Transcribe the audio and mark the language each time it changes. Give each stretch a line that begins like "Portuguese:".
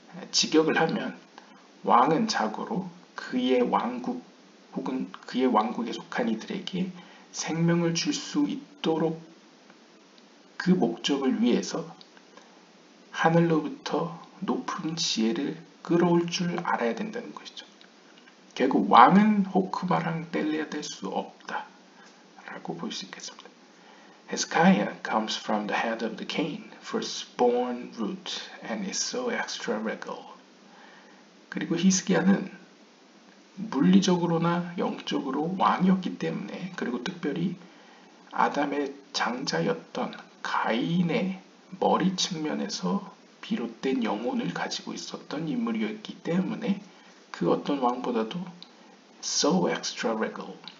Korean: 직역을 하면 왕은 자고로 그의 왕국 혹은 그의 왕국에 속한 이들에게 생명을 줄 수 있도록 그 목적을 위해서 하늘로부터 높은 지혜를 끌어올 줄 알아야 된다는 것이죠. 결국 왕은 호크마랑 뗄려야 될 수 없다. 라고 볼 수 있겠습니다.
English: Hezekiah comes from the head of the king, firstborn root, and is so extra regal.
Korean: 그리고 히스기야는 물리적으로나 영적으로 왕이었기 때문에, 그리고 특별히 아담의 장자였던 가인의 머리 측면에서 비롯된 영혼을 가지고 있었던 인물이었기 때문에 그 어떤 왕보다도
English: so extra regal.